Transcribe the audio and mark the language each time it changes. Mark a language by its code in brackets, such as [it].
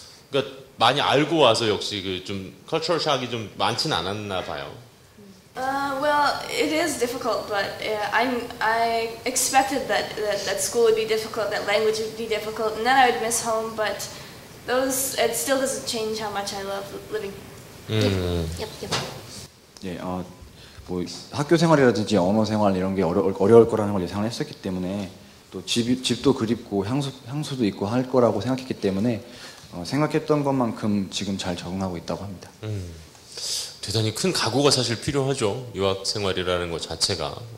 [ko] 그러니까 많이 알고 와서 역시 그 좀 [en] cultural shock [ko] 이 좀 많진 않았나 봐요. [en] Well, it is difficult, but yeah, I expected that school would be difficult, that language would be difficult, and then I would miss home. But it still doesn't change how much I love living. Yep. [ko] 예, 뭐 학교 생활이라든지 언어 생활 이런 게 어려울 거라는 걸 예상을 했었기 때문에. 또 집도 그립고 향수도 있고 할 거라고 생각했기 때문에 생각했던 것만큼 지금 잘 적응하고 있다고 합니다. 대단히 큰 각오가 사실 필요하죠. 유학 생활이라는 것 자체가.